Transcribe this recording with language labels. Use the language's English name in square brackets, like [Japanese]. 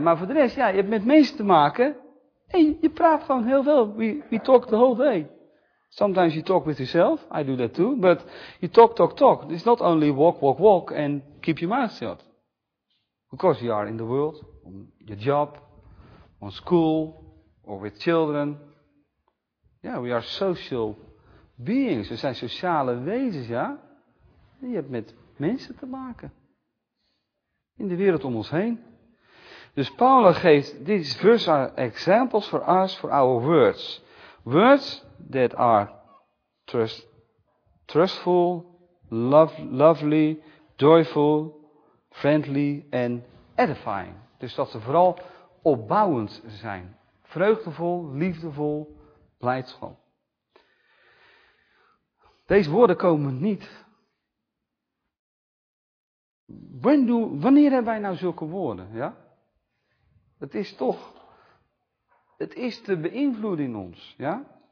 [Dutch] Maar voor de rest, ja, je hebt met mensen te maken. En je praat gewoon heel veel. [English] We talk the whole day. Sometimes you talk with yourself, I do that too. But you talk. It's not only walk and keep your mouth shut. Because you are in the world, on your job, on school, or with children. Yeah, we are social beings. [Dutch] We zijn sociale wezens, ja. En je hebt met mensen te maken. In de wereld om ons heen. Dus Paulus geeft, [English] these verses are examples for us, for our words. Words that are trustful, lovely, joyful, friendly and edifying. [Dutch] Dus dat ze vooral opbouwend zijn. Vreugdevol, liefdevol, blijdschap. Deze woorden komen niet. Wanneer hebben wij nou zulke woorden? Ja? Het is te beïnvloeden in ons. Ja?